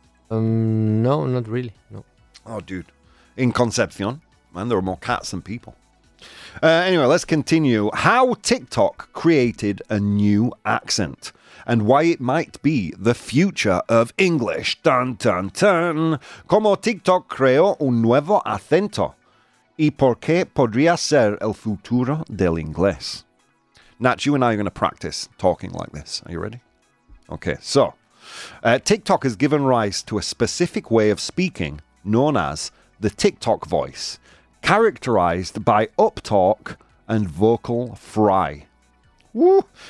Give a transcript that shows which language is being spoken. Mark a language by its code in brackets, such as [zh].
[en] No, not really, no. Oh, dude. In Concepcion? Man, there are more cats than people. Anyway, let's continue. How TikTok created a new accent and why it might be the future of English. [es] Dun, dun, dun. ¿Cómo TikTok creó un nuevo acento? ¿Y por qué podría ser el futuro del inglés? [en] Nat, you and I are going to practice talking like this. Are you ready? Okay, so TikTok has given rise to a specific way of speaking known as the TikTok voice, characterized by uptalk and vocal fry. Woo!